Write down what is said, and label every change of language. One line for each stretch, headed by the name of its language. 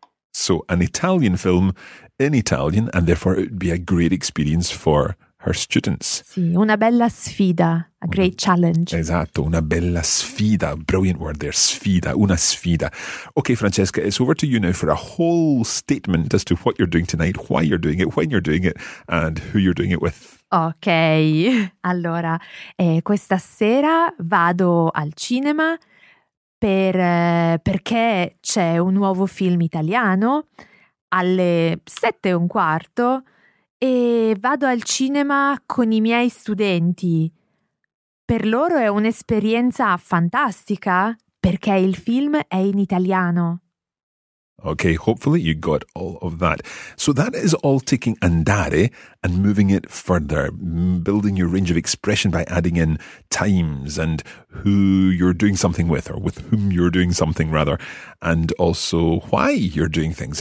English: So, an Italian film in Italian, and therefore it would be a great experience for her students.
Italian: Sì, una bella sfida,
English: a great challenge.
Italian: Esatto, una bella sfida,
English: brilliant word there,
Italian: sfida, una sfida.
English: Okay, Francesca, it's over to you now for a whole statement as to what you're doing tonight, why you're doing it, when you're doing it, and who you're doing it with.
Italian: Ok, allora, questa sera vado al cinema perché c'è un nuovo film italiano alle 7:15 e vado al cinema con i miei studenti. Per loro è un'esperienza fantastica perché il film è in italiano.
English: Okay, hopefully you got all of that. So that is all taking andare and moving it further, building your range of expression by adding in times and who you're doing something with or with whom you're doing something rather, and also why you're doing things.